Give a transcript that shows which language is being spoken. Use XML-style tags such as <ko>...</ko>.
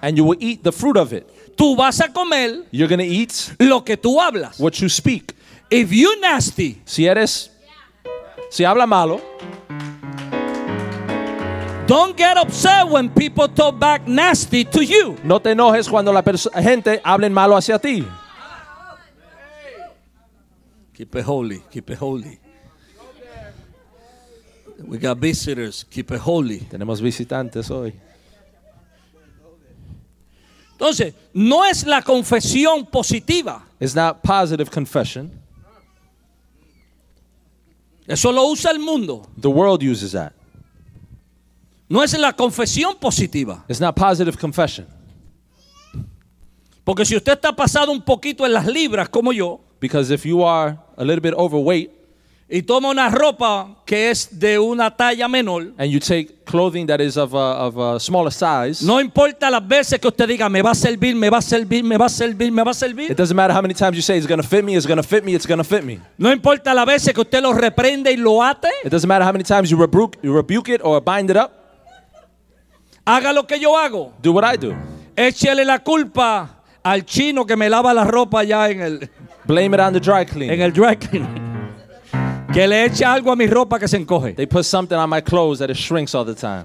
<en>And you will eat the fruit of it.</en> <es>Tú vas a comer</es> <en>you're gonna eat</en> <es>lo que tú hablas.</es> <en>What you speak. If you nasty,</en> <es>si eres, si habla malo,</es> <en>don't get upset when people talk back nasty to you.</en> <es>No te enojes cuando la gente hablen malo hacia ti.</es> <en>Keep it holy. Keep it holy. We got visitors. Keep it holy.</en> <es>Tenemos visitantes hoy. Entonces, no es la confesión positiva.</es> <en>It's not positive confession.</en> <es>Eso lo usa el mundo.</es> <en>The world uses that.</en> <es>No es la confesión positiva.</es> <en>It's not positive confession.</en> <es>Porque si usted está pasado un poquito en las libras como yo,</es> <en>because if you are a little bit overweight,</en> <es>y toma una ropa que es de una talla menor,</es> <en>and you take clothing that is of a smaller size,</en> <es>no importa las veces que usted diga me va a servir, me va a servir, me va a servir, me va a servir.</es> <en>It doesn't matter how many times you say it's going to fit me, it's going to fit me, it's going to fit me.</en> <es>No importa las veces que usted lo reprende y lo ate.</es> <en>It doesn't matter how many times you rebuke it or bind it up.</en> <es>Haga lo que yo hago.</es> <en>Do what I do.</en> <es>Échele la culpa al chino que me lava la ropa allá en el...</es> <en>Blame it on the dry clean.</en> <es>En el dry clean. Que le eche algo a mi ropa que se encoge.</es> <en>They put something on my clothes that it shrinks all the time.</en>